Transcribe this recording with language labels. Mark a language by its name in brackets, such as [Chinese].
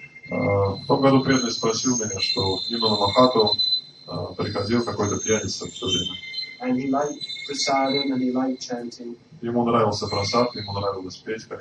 [Russian] В том году преданный спросил меня, что в Намахату приходил какой-то пьяница все время. [English] And he liked prasadam and he liked chanting. [Russian] Ему нравился просад, ему нравилось петь, как